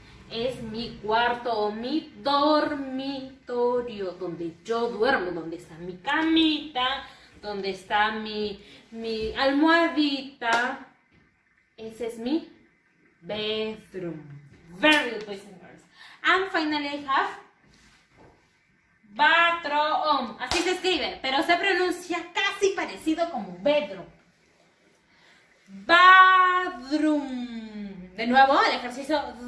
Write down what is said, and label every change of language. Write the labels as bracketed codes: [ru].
[es] Es mi cuarto o mi dormitorio, donde yo duermo, donde está mi camita, donde está mi almohadita. Ese es mi bedroom. [en] Very good, boys and girls. And finally I have bathroom. [es] Así se escribe, pero se pronuncia casi parecido como bedroom. Bathroom. De nuevo, el ejercicio.